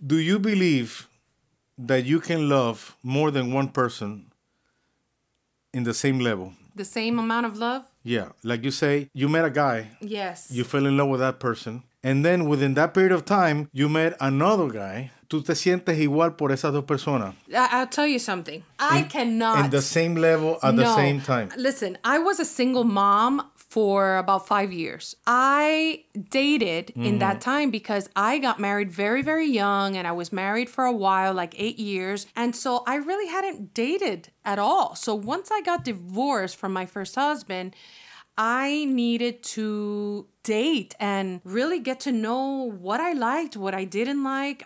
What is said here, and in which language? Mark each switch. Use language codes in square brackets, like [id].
[en] Do you believe that you can love more than one person in the same level? The same amount of love? Yeah. Like you say, you met a guy. Yes. You fell in love with that person. And then within that period of time, you met another guy. [es] ¿Tú te sientes igual por esas dos personas? [en] I'll tell you something. I cannot. In the same level at the same time. Listen, I was a single mom for about 5 years. I dated in that time because I got married very, very young, and I was married for a while, like 8 years. And so I really hadn't dated at all. So once I got divorced from my first husband, I needed to date and really get to know what I liked, what I didn't like.